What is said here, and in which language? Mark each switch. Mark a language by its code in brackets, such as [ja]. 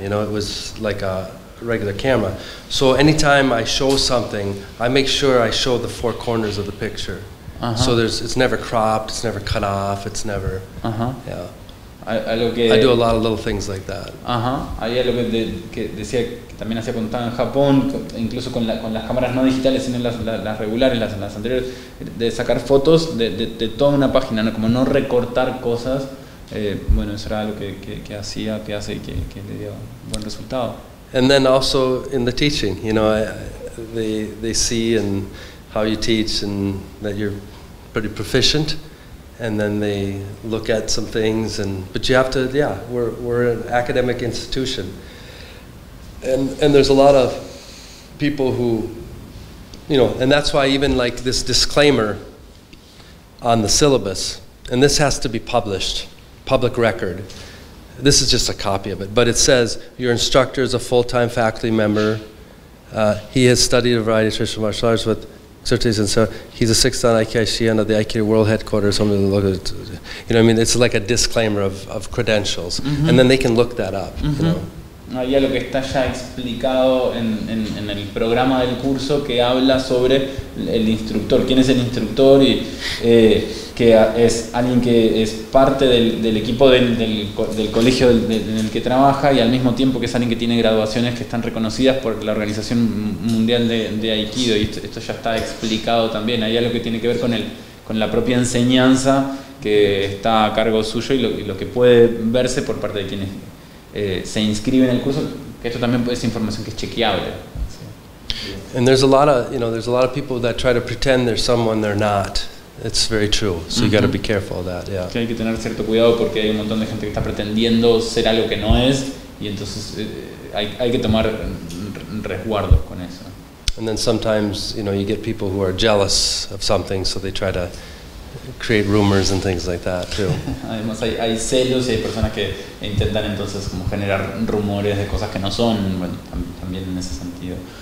[en] You know, it was like a regular camera. So anytime I show something, I make sure I show the four corners of the picture. So it's never cropped, it's never cut off, it's never, yeah. I do a lot of little things like that. [es] Ahí algo que decía que también hacía contado en Japón, incluso con las cámaras no digitales, sino las regulares, las anteriores, de sacar fotos de toda una página, ¿no? Como no recortar cosas. Bueno, eso era algo que hacía, que hace y que le dio buen resultado. [en] And then also in the teaching, you know, they see and how you teach and that you're pretty proficient. And then they look at some things, but you have to, yeah, we're an academic institution. And there's a lot of people who, you know, and that's why even like this disclaimer on the syllabus, and this has to be published, public record. This is just a copy of it, but it says, your instructor is a full-time faculty member. He has studied a variety of traditional martial arts with certification, so he's a 6th on IKI of the IKI World Headquarters. Something to look at, you know. I mean, it's like a disclaimer of credentials, and then they can look that up. You know. [es] Ahí lo que está ya explicado en el programa del curso que habla sobre el instructor, quién es el instructor y que es alguien que es parte del equipo del colegio en el que trabaja y al mismo tiempo que es alguien que tiene graduaciones que están reconocidas por la Organización Mundial de Aikido y esto ya está explicado también. Hay algo que tiene que ver con la propia enseñanza que está a cargo suyo y lo que puede verse por parte de quienes se inscriben en el curso, que esto también es información que es chequeable. [en] And there's a lot of, you know, there's a lot of people that try to pretend they're someone they're not. It's very true. So you got to be careful of that. Yeah. [es] Que hay que tener cierto cuidado porque hay un montón de gente que está pretendiendo ser algo que no es y entonces hay que tomar resguardos con eso. [en] And then sometimes, you know, you get people who are jealous of something so they try to create rumors and things like that too. [es] Además hay celos y hay personas que intentan entonces como generar rumores de cosas que no son, bueno, también en ese sentido.